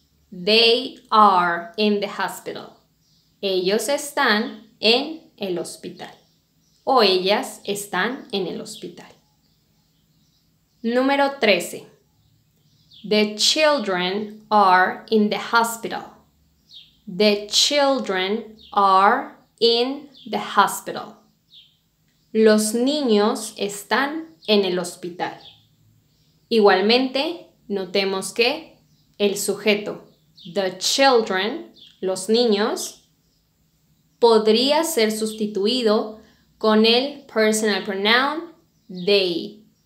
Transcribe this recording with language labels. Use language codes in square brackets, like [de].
[en] They are in the hospital. [es] Ellos están en el hospital. O ellas están en el hospital. Número 13. [en] The children are in the hospital. The children are in the hospital. [es] Los niños están en el hospital. Igualmente, notemos que el sujeto, [en] the children, [es] los niños, podría ser sustituido con el personal pronoun they.